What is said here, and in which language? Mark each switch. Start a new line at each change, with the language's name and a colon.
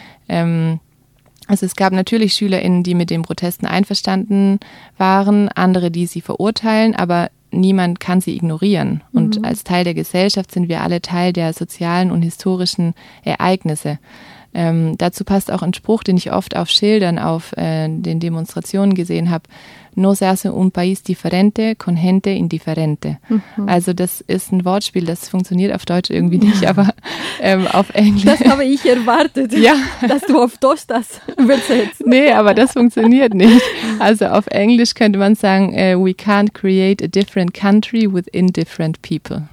German: Also es gab natürlich SchülerInnen, die mit den Protesten einverstanden waren, andere, die sie verurteilen, aber niemand kann sie ignorieren. Und als Teil der Gesellschaft sind wir alle Teil der sozialen und historischen Ereignisse. Dazu passt auch ein Spruch, den ich oft auf Schildern, auf den Demonstrationen gesehen habe.
Spanish: No se hace un país diferente con gente indiferente. Mhm.
German: Also das ist ein Wortspiel, das funktioniert auf Deutsch irgendwie nicht, aber auf Englisch. Das habe ich erwartet, ja. Dass du auf Deutsch das übersetzt. Nee, aber das funktioniert nicht. Also auf Englisch könnte man sagen,
English: we can't create a different country with indifferent people.